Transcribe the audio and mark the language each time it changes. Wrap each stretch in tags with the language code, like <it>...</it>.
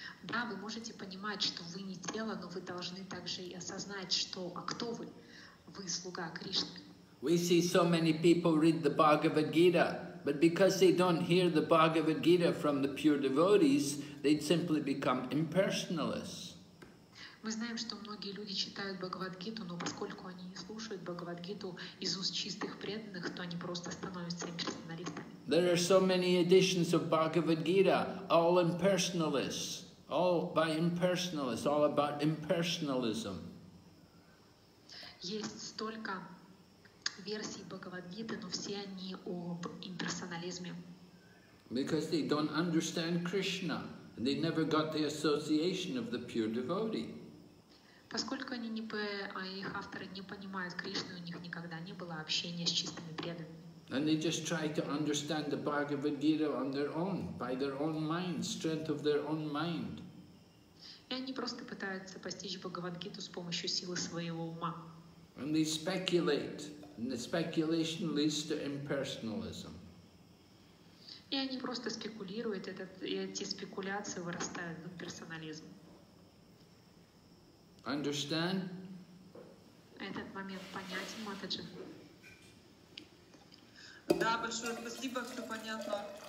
<ru>Да, вы можете понимать, что вы не тело, но вы должны также и осознать, что, а кто вы? Вы слуга Кришны.</ru> <en>We see so many people read the Bhagavad Gita, but because they don't hear the Bhagavad Gita from the pure devotees, they'd simply become impersonalists.</en> <ru>Мы знаем, что многие люди читают Бхагавадгиту, но поскольку они не слушают Бхагавадгиту из уст чистых преданных, то они просто становятся имперсоналистами.</ru> <en>There are so many editions of Bhagavad Gita, all impersonalists, all by impersonalists, all about impersonalism.</en> <ru>Есть столько версий Бхагавадгиты, но все они об имперсонализме.</ru> <en>Because they don't understand Krishna, and they never got the association of the pure devotee.</en> <ru>Поскольку они не их авторы не понимают Кришну, у них никогда не было общения с чистыми преданными.</ru> <en>And they just try to understand the Bhagavad Gita on their own, by their own mind, strength of their own mind.</en> <ru>И они просто пытаются постичь Бхагавад-гиту с помощью силы своего ума.</ru> <en>And they speculate, and the speculation leads to impersonalism.</en> <ru>И они просто спекулируют, и эти спекуляции вырастают в персонализм.</ru> <en>Understand?</en> <ru>Этот момент понятен, Матаджи? Да, большое спасибо, все понятно.</ru>